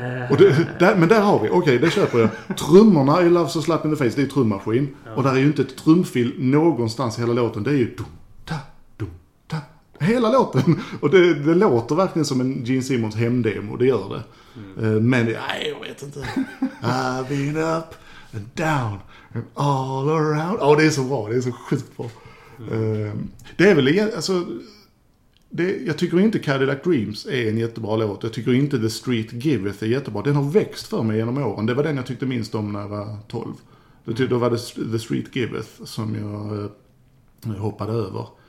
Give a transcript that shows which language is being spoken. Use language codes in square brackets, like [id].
[sv] Och det, där, men där har vi, okej, det köper jag. Trummorna i Love's a Slap in the Face, det är trummaskin. Ja. Och där är ju inte ett trumfil någonstans hela låten. Det är ju dum-ta, dum-ta, hela låten. Och det låter verkligen som en Gene Simmons hemdemo, det gör det. Mm. Men nej, jag vet inte. [en] I've been up and down and all around. [sv] Åh, det är så bra, det är så sjukt bra. Det är väl alltså... Jag tycker inte Cadillac Dreams är en jättebra låt. Jag tycker inte The Street Giveth är jättebra. Den har växt för mig genom åren. Det var den jag tyckte minst om när jag var 12. Då var det The Street Giveth som jag hoppade över.